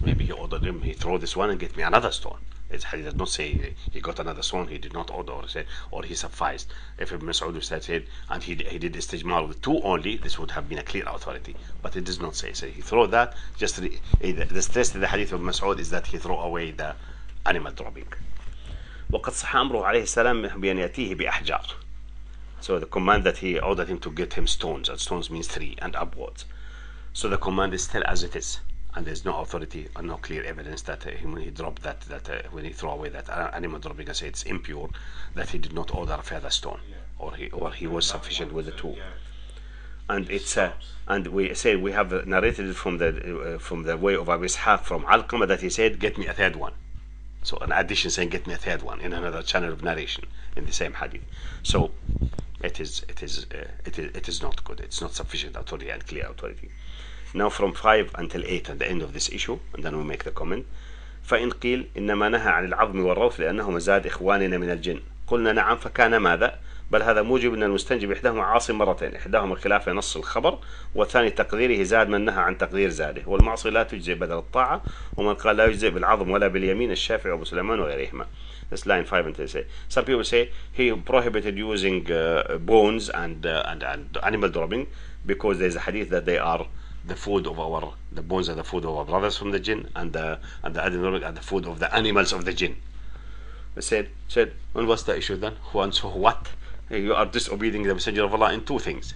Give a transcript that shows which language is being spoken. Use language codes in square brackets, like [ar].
[en] Maybe he ordered him, he throw this one and get me another stone. It's hadith does not say he got another stone, he did not order or he sufficed. If Ibn Mas'ud said, and he did istijmar with two only, this would have been a clear authority. But it does not say. So he threw that, just the stress in the hadith of Mas'ud is that he threw away the animal dropping. [ar] وقد صح أمره عليه السلام بأن يأتيه بأحجار. [en] So the command that he ordered him to get him stones, and stones means three and upwards. So the command is still as it is. And there's no authority or no clear evidence that when he dropped that when he threw away that animal dropping, I say it's impure, that he did not order a further stone, yeah. or he was sufficient with the two. Yeah. And and we say we have narrated it from the way of Abu Ishaq from Alqama that he said, get me a third one. So an addition saying, get me a third one in another channel of narration in the same hadith. So it is not good. It's not sufficient authority and clear authority. Now from 5 until 8 at the end of this issue, and then we make the comment. [ar] فإن قيل إنما نهى عن العظم والروث لأنهما زاد إخواننا من الجن. قلنا نعم فكان ماذا؟ بل هذا موجب أن المستنجب إحداهما عاصي مرتين، إحداهما خلاف نص الخبر، والثاني تقديره زاد من نهى عن تقدير زاده، والمعصي لا تجزئ بدل الطاعة، ومن قال لا يجزئ بالعظم ولا باليمين الشافعي وأبو سليمان وغيرهما. [en] This line 5 and 6. Some people say he prohibited using bones and animal dropping because there's a hadith that they are the bones are the food of our brothers from the jinn, and the food of the animals of the jinn. They said, well, what's the issue then? Who and so what? Hey, you are disobeying the Messenger of Allah in two things.